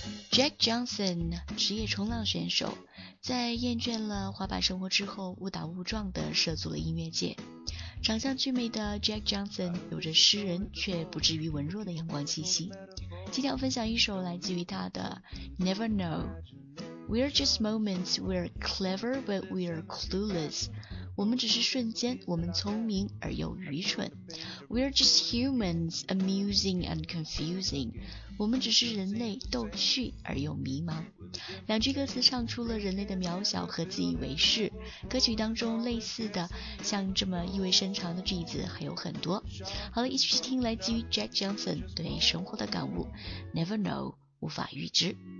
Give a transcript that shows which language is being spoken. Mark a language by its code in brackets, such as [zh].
[zh] Jack Johnson， 职业冲浪选手，在厌倦了滑板生活之后，误打误撞地涉足了音乐界。长相俊美的 Jack Johnson 有着诗人却不至于文弱的阳光气息。今天我分享一首来自于他的 Never Know。 [en] We're just moments, we're clever, but we're clueless. [zh] 我们只是瞬间，我们聪明而又愚蠢。 [en] We're just humans, amusing and confusing. [zh] 我们只是人类，逗趣而又迷茫。两句歌词唱出了人类的渺小和自以为是。歌曲当中类似的，像这么意味深长的句子还有很多。好了，一起去听来自于 Jack Johnson 对生活的感悟。 Never know, 无法预知。